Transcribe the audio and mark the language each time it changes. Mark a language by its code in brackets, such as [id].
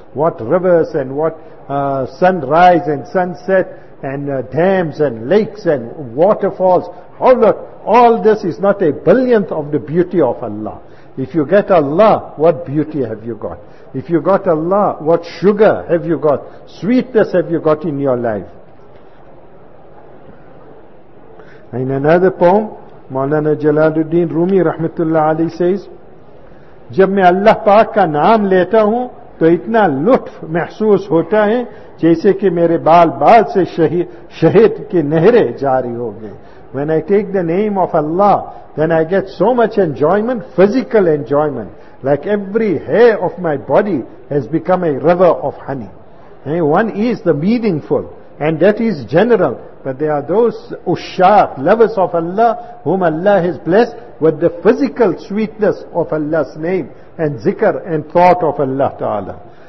[en] What rivers and what sunrise and sunset and dams and lakes and waterfalls. Oh look, all this is not a billionth of the beauty of Allah. If you get Allah, what beauty have you got? If you got Allah, what sugar have you got? Sweetness have you got in your life? In another poem, Maulana Jalaluddin Rumi Rahmatullah Ali says, [ur] جب میں اللہ پاک کا نام لیتا ہوں تو اتنا لطف محسوس ہوتا ہے جیسے کہ میرے بال بال سے شہد کے نہرے جاری ہو گئے. [en] When I take the name of Allah, then I get so much enjoyment, physical enjoyment, like every hair of my body has become a river of honey. And one is the meaningful, and that is general. But there are those ushaq, lovers of Allah, whom Allah has blessed with the physical sweetness of Allah's name and zikr and thought of Allah Ta'ala.